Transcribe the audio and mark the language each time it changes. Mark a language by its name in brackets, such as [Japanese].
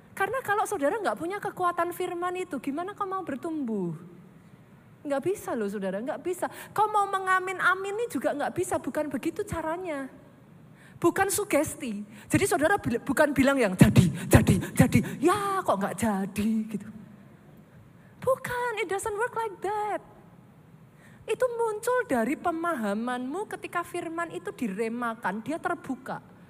[Indonesian] Karena kalau saudara gak punya kekuatan firman itu, gimana kau mau bertumbuh? Gak bisa loh saudara, gak bisa. Kau mau mengamin-aminin juga gak bisa, bukan begitu caranya. Bukan sugesti. Jadi saudara bukan bilang yang jadi, ya kok gak jadi gitu. [English] Bukan, it doesn't work like that. [Indonesian] Itu muncul dari pemahamanmu ketika firman itu diremakan, dia terbuka.